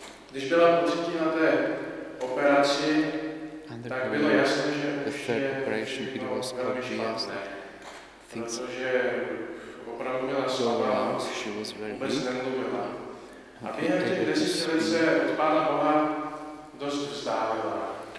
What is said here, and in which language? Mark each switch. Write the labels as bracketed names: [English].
[Czech] Když byla potřetí na té operaci, tak bylo jasné, že [English] the third operation, it was obvious that things go wrong, she was very weak. [Czech] A během těch 10 let se od Pána Boha dost vzdálila.